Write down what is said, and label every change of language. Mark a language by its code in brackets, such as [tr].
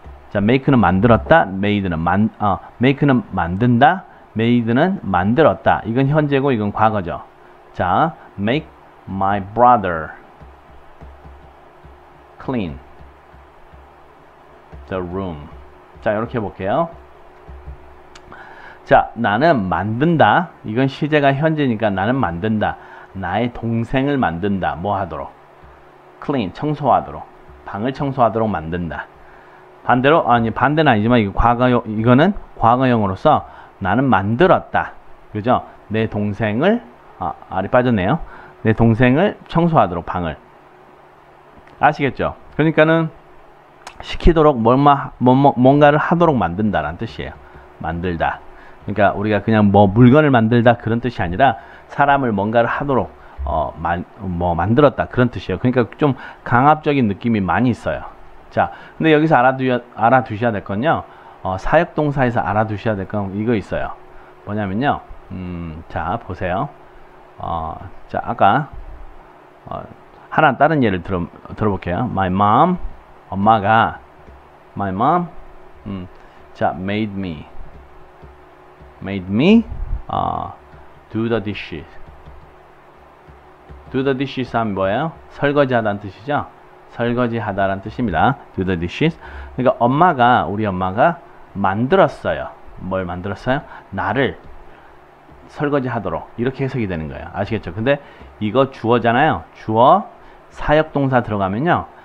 [ko] 자, make는 만들었다. make는 만든다. made는 만들었다. 이건 현재고 이건 과거죠. [en] 자, make my brother clean the room. [ko] 자, 이렇게 해볼게요. 자, 나는 만든다. 이건 시제가 현재니까 나는 만든다. 나의 동생을 만든다. 뭐 하도록? clean, 청소하도록. 방을 청소하도록 만든다. 반대로, 반대는 아니지만 이거는 과거형으로서 나는 만들었다. 그죠? 내 동생을, 알이 빠졌네요. 내 동생을 청소하도록, 방을. 아시겠죠? 그러니까는 시키도록 뭔가를 하도록 만든다라는 뜻이에요. 만들다. 그러니까 우리가 그냥 뭐 물건을 만들다 그런 뜻이 아니라 사람을 뭔가를 하도록 만들었다 그런 뜻이에요. 그러니까 좀 강압적인 느낌이 많이 있어요. 자, 근데 여기서 알아두셔야 될 건요. 사역 동사에서 알아두셔야 될 건 이거 있어요. 뭐냐면요. 자, 보세요. 자, 아까 하나 다른 예를 들어볼게요. [en] My mom. 엄마가 my mom made me do the dishes. do the dishes [ko] 하면 뭐예요? 설거지하다는 뜻이죠. 설거지하다라는 뜻입니다. [en] do the dishes. [ko] 그러니까 우리 엄마가 만들었어요. 뭘 만들었어요? 나를 설거지하도록. 이렇게 해석이 되는 거예요. 아시겠죠? 근데 이거 주어잖아요. 주어 사역 동사 들어가면요.